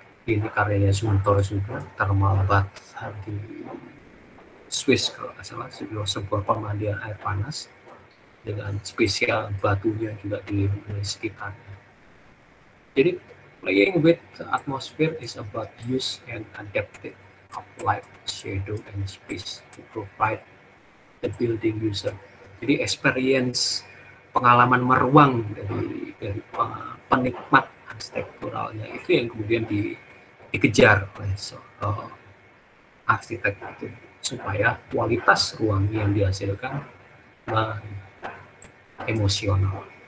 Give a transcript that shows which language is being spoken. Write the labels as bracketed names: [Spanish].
[Indonesian] Ini karyanya Sumter juga, thermal bath di Swiss kalau tidak salah, sebuah pemandian air panas dengan spesial batunya juga di sekitarnya. Jadi [English] playing with atmosphere is about use and adaptive of light, shadow and space to provide the building user. [Indonesian] Jadi experience, pengalaman meruang dari penikmat arsitekturalnya itu yang kemudian dikejar oleh arsitek itu, supaya kualitas ruang yang dihasilkan emosional.